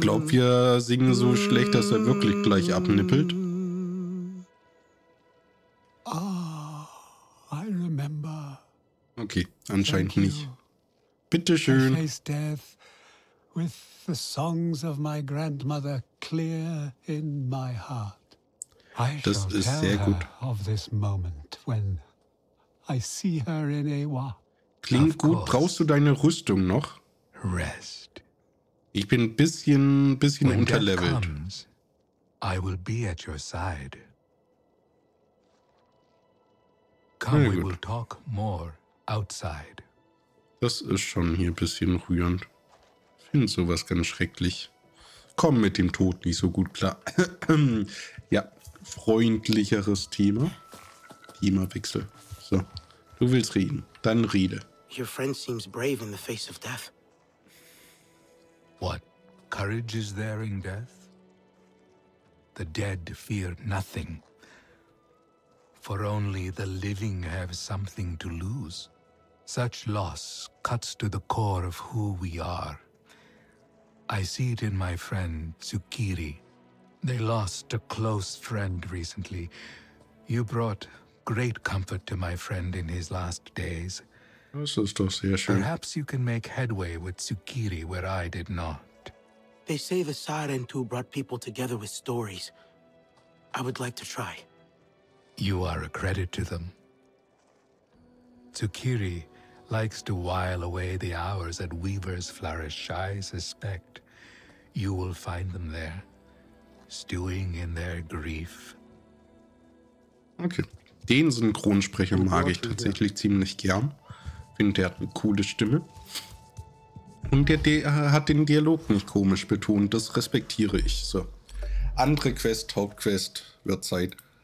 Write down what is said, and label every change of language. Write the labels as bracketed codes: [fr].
[de] Wir singen so schlecht, dass er wirklich gleich abnippelt. [en] Oh, I remember. [de] Okay, anscheinend nicht. Bitteschön. [en] I face death with the songs of my grandmother clear in my heart. [de] I das ist sehr gut. [en] Of this moment when I see her in Ewa. [de] Klingt gut. Brauchst du deine Rüstung noch? [en] Rest. [de] Ich bin ein bisschen unterlevelt. [en] I will be at your side. Come, we will talk more outside. [de] Das ist schon hier ein bisschen rührend. Ich finde sowas ganz schrecklich. Komm mit dem Tod nicht so gut klar. Ja, freundlicheres Thema. Themawechsel. So, du willst reden, dann rede. [en] Your friend seems brave in the face of death. What courage is there in death? The dead fear nothing, for only the living have something to lose. Such loss cuts to the core of who we are. I see it in my friend Tsukiri. They lost a close friend recently. You brought great comfort to my friend in his last days. This is still [de] sehr schön. [en] Perhaps you can make headway with Tsukiri where I did not. They say the Sarantu brought people together with stories. I would like to try. You are a credit to them. Tsukiri likes to while away the hours at Weaver's Flourish. I suspect you will find them there, stewing in their grief. [de] Okay. Den Synchronsprecher mag ich tatsächlich ziemlich gern. Der hat eine coole Stimme. Und der hat den Dialog nicht komisch betont. Das respektiere ich. So. Andere Quest, Hauptquest, wird Zeit.